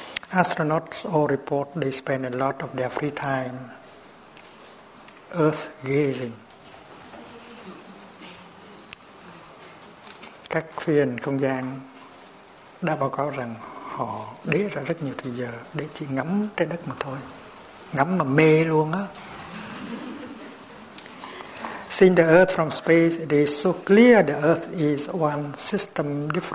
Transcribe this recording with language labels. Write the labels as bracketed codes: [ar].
[en] Astronauts all report they spend a lot of their free time Earth gazing. [vi] Các phi hành không gian đã báo cáo rằng họ đế ra rất nhiều thời giờ để chỉ ngắm trái đất mà thôi. Ngắm mà mê luôn á. [en] Seeing the Earth from space, it is so clear the Earth is one system.